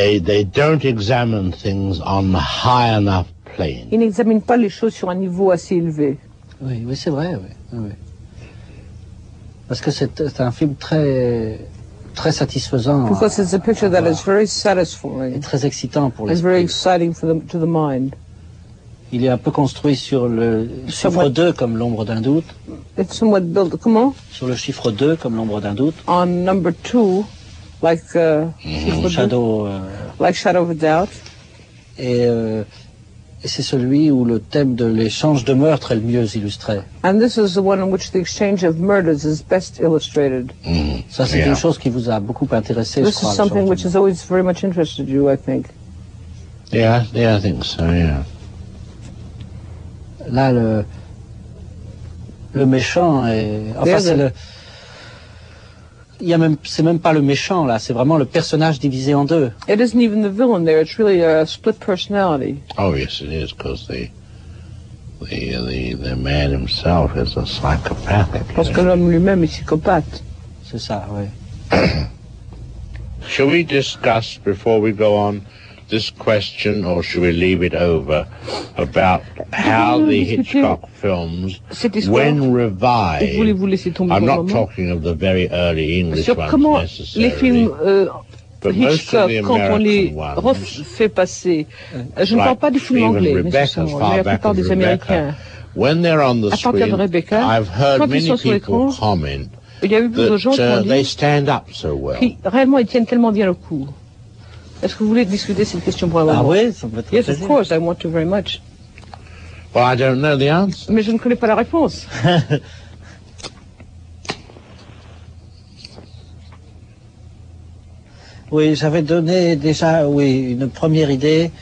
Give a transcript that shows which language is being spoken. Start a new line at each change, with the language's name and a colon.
English: They don't examine things on a high enough plane.
French: Ils n'examinent pas les choses sur un niveau assez élevé. Oui, c'est vrai. Oui. Parce que c'est un film très, très satisfaisant.
English: Because it's a picture that is very satisfying.
French: Et très excitant pour l'esprit.
English: It's very exciting to the mind.
French: Il est un peu construit sur le chiffre 2 comme l'ombre d'un doute.
English: It's somewhat built, comment?
French: Sur le chiffre 2 comme l'ombre d'un doute.
English: On number 2, like shadow. Like shadow of a doubt.
French: Et c'est celui où le thème de l'échange de meurtres est le mieux illustré.
English: And this is the one in which the exchange of murders is best illustrated.
French: Ça, c'est une chose qui vous a beaucoup intéressé,
English: this
French: je crois.
English: This is something which has always very much interested you, I think. Yeah, I think so, yeah.
French: Là, le méchant est. Enfin, c'est le. C'est même pas le méchant là, c'est vraiment le personnage divisé en deux.
English: It isn't even the villain there, it's really a split personality. Oh yes it is, because the man himself is a psychopathic.
French: Parce que l'homme lui-même est psychopathe. C'est ça, oui.
English: Shall we discuss before we go on this question, or should we leave it over about how the Hitchcock films, when revived, I'm not talking of the very early English ones necessarily,
French: les films,
English: but Hitchcock, most of the American ones,
French: fait passer. Je ne parle pas du film anglais, Rebecca, mais la plupart des Américains,
English: when they're on the screen, Rebecca, I've heard many people comment that they stand up so well.
French: Réellement, ils tiennent tellement bien le coup. Est-ce que vous voulez discuter cette question pour avoir Ah oui, ça peut être
English: Yes, of course, I want to very much. Well, I don't know the answer.
French: Mais je ne connais pas la réponse. Oui, j'avais donné déjà, oui, une première idée.